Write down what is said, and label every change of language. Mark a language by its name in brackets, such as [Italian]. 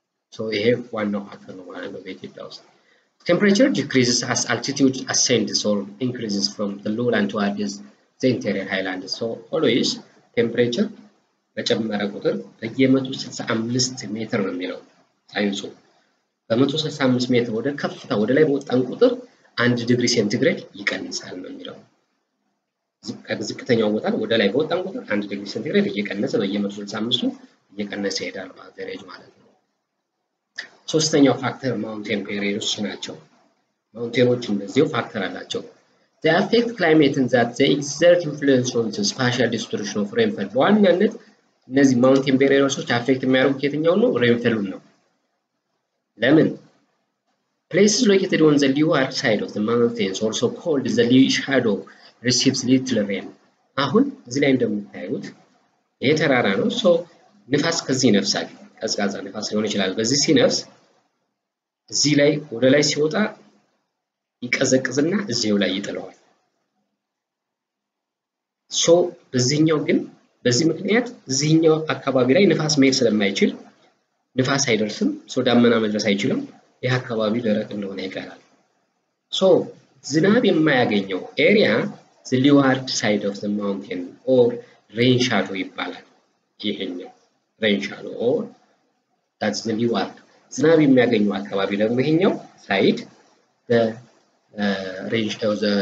[English] So we have one of the one of 80,000. Temperature decreases as altitude ascends or increases from the lowland towards the interior highlands. So always temperature [Amharic] በጨመረ ቁጥር በየ165 ሜትር ነው የሚለው ሳይንሱ። በ165 ሜትር ወደ ከፍታ ወደ ላይ በወጣን ቁጥር 1 ዲግሪ ሴንቲግሬድ ይቀንሳል ነው የሚለው። ከዝቅተኛው ቦታ ወደ ላይ በወጣን ቁጥር 1 ዲግሪ ሴንቲግሬድ እየቀነሰ በየ165 እየቀነሰ ይሄዳል አቨሬጅ ማለት ነው። ሶስተኛው ፋክተር ማውንቴን ፔሪዮድስ ናቸው። ማውንቴኖች እንደዚሁ ፋክተር አላቸው። [English] They affect climate in that they exert influence on the spatial distribution of rainfall. [Amharic] በዋናነት እነዚህ ማውንቴን ፔሪዮድሶች አፌክት የሚያደርጉት የትኛውን ነው? ሬንፌሉን ነው። ለምን? [English] Places located on the leeward side of the mountains, also called the lee shadow, receives little rain. [Amharic] አሁን እዚህ ላይ እንደምታዩት ይሄ ተራራ ነው። ሶ ንፋስ ከዚህ ይነፍሳል። ቀዝቃዛ ንፋስ ሊሆን ይችላል። በዚህ ሲነፍስ እዚህ ላይ ወደ ላይ ሲወጣ ይቀዘቅዝና እዚው ላይ ይጥለዋል። ሶ በዚህኛው ግን በዚህ ምክንያት እዚህኛው አካባቢ ላይ ንፋስ መሄድ ስለማይችል ንፋስ አይደርስም። ሶ ዳመና መድረስ አይችልም። ይህ አካባቢ ደረቅ እንደሆነ ይቀራል። ሶ ዝናብ የማያገኘው ኤሪያ [English] ዘ ሊዋርድ ሳይድ ኦፍ ዘ ማውንቴን ኦር ሬን ሻዶ [Amharic] ይባላል። ይሄኛው [English] ሬን ሻዶ ኦር ዳትስ ዘ ሊዋርድ፣ [Amharic] ዝናብ የሚያገኘው አካባቢ ደግሞ ይሄኛው ሳይድ ዘ ሬን ሻዶ